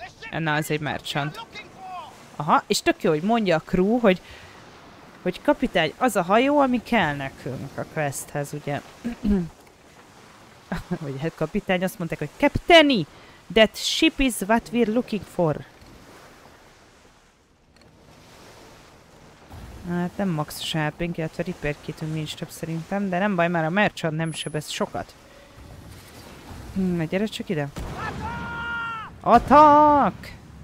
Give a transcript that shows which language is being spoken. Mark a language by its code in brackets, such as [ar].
[hu] Na, az egy merchant. Aha, és tök jó, hogy mondja a crew, hogy kapitány, az a hajó, ami kell nekünk a questhez, ugye. Vagy hát kapitány, azt mondták, hogy Captaini! [en] That ship is what we're looking for. [hu] Hát nem max sharpink, illetve repair kitünk nincs több szerintem, de nem baj, már a merchant nem sebez sokat. Na gyere csak ide. [en] Attack!